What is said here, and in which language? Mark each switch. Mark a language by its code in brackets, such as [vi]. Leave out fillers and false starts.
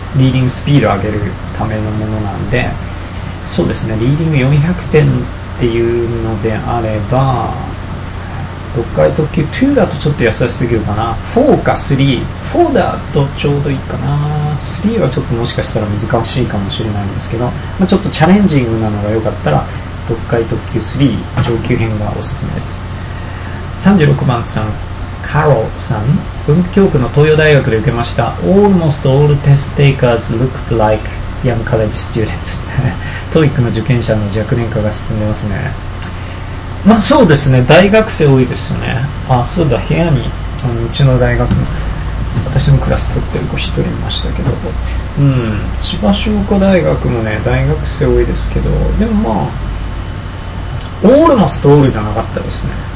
[ja] ーディングスピードを上げるためのものなんで、そうですね、リーディング400点っていうのであれば、読解特急2だとちょっと優しすぎるかな、4か3、4だとちょうどいいかな、3はちょっともしかしたら難しいかもしれないんですけど、まあ、ちょっとチャレンジングなのがよかったら、読解特急3上級編がおすすめです。 36番さん、カロさん、文京区の東洋大学で受けました。 [en] Almost all test takers looked like young college students. [ja] TOEIC の受験者の若年化が進んでますね。まあそうですね、大学生多いですよね。あ、そうだ、部屋にあのうちの大学の私のクラス取ってる子一人いましたけど、うん、千葉商工大学もね大学生多いですけど、でもまあ [en] Almost all [ja] じゃなかったですね。